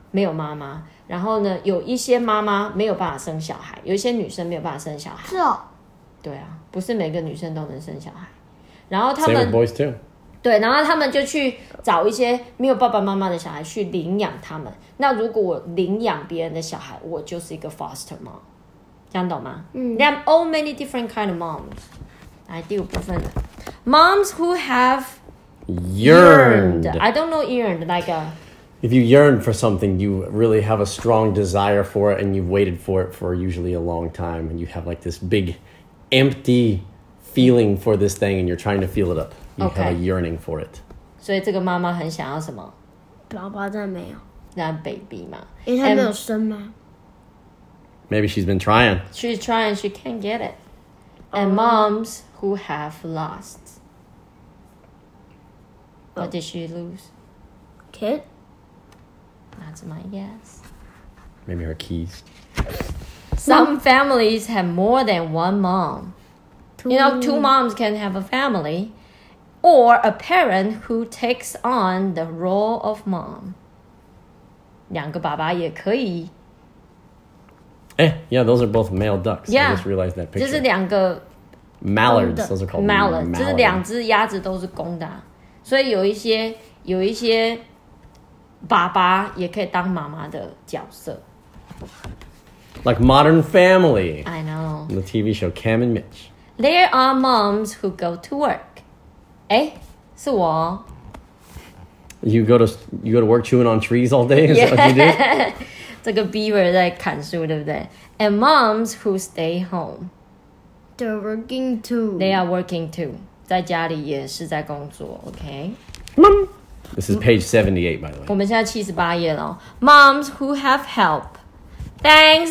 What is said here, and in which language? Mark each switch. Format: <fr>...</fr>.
<zh>没有妈妈，然后呢，有一些妈妈没有办法生小孩，有一些女生没有办法生小孩。是哦，对啊，不是每个女生都能生小孩。然后他们</zh> <en>boys too.</en> <zh>对，然后他们就去找一些没有爸爸妈妈的小孩去领养他们。那如果我领养别人的小孩，我就是一个 foster mom， 这样懂吗？嗯</zh> <en>，They have all many different kind of moms.</en> <zh>来第五部分</zh> <en>，moms who haveP yearned. I don't know yearned, like a... If you yearn for something, you really have a strong desire for it and you've waited for it for usually a long time and you have like this big empty feeling for this thing and you're trying to fill it up. You、 okay. have a yearning for it.</en> <zh>所以这个妈妈很想要什么？宝宝在没有。那 baby 嘛。因为她没有生吗？</zh> <en>Maybe she's been trying. She's trying, she can't get it. And moms who have lost. What did she lose? Kid? That's my guess. Maybe her keys. Some families have more than one mom. You know, two moms can have a family. Or a parent who takes on the role of mom.</en> <zh>两个爸爸也可以。</zh> <en>Eh, yeah, those are both male ducks. Yeah. I just realized that picture.</en> <zh>这是两个</zh> <en>Mallards, those are called mallards.</en> <zh>这是两只鸭子都是公的。所以有一些爸爸也可以当妈妈的角色</zh> <en>，like Modern Family. I know the TV show Cam and Mitch. There are moms who go to work.</en> <zh>哎，是我。</zh> <en>You go to work chewing on trees all day. Yeah, is what you do?</en> <zh>这个 Beaver 在砍树，对不对 ？</zh> <en>And moms who stay home. They're working too. They are working too.</en> <zh>在家里也是在工作 ，OK。</zh> <en>This is page 78, by the way.</en> <zh>我们现在78页了。</zh> <en>Moms who have help, thanks.</en>